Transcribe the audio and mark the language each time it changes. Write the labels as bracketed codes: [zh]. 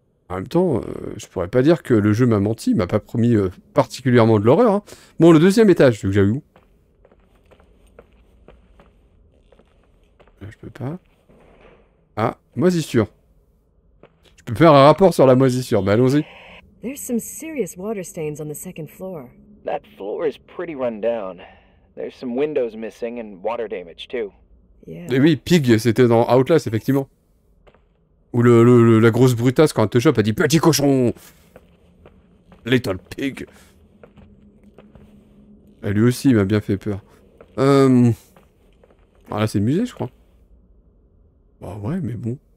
[fr] En même temps, je pourrais pas dire que le jeu m'a menti, m'a pas promis particulièrement de l'horreur. Hein. Bon, le deuxième étage, vu que j'avais où ? Là, je peux pas. Ah, moisissure. Je peux faire un rapport sur la moisissure, mais allons-y. [en] There's some serious water stains on the second floor. That floor is pretty run down. There's some windows missing and water damage too. Yeah. [fr] Et oui, Pig, c'était dans Outlast, effectivement. Où la grosse brutasse, quand elle te chope, elle dit « Petit cochon !» [en] Little Pig. [fr] Et lui aussi, il m'a bien fait peur. Alors là, c'est le musée, je crois. Bah ouais, mais bon.